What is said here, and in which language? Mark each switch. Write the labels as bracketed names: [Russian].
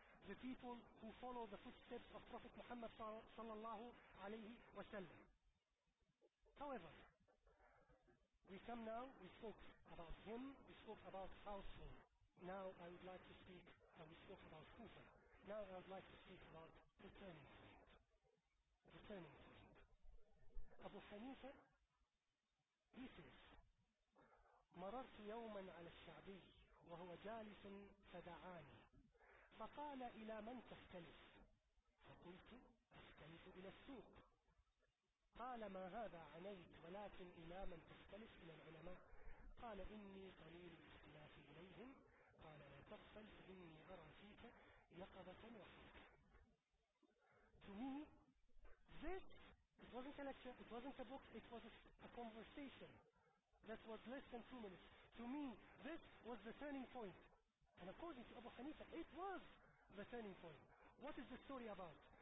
[English] The people who follow the footsteps of Prophet Muhammad sallallahu alayhi wa sallam. However, we come now, we spoke about him, we spoke about household. We spoke about Kufa. Now I would like to speak about the turning point. The turning point. [Arabic] Abu Hanifa, [English] he says, [Arabic] مررت يوما على الشعبي وهو جالس فدعاني. فقال إلى من تختلف؟ فقلت أختلف إلى السوق. قال ما هذا عنيت ولكن إلى من تختلف إلى العلماء؟ قال إني قليل الاختلاف إليهم. قال لا تغفل فإني أرى فيك يقظة وحركة. [English] To me, this, it wasn't a lecture, it wasn't a book, it was a conversation that was less than 2 minutes. To me, this was the turning point. And according to Abu Hanifa, it was the turning point. What is the story about?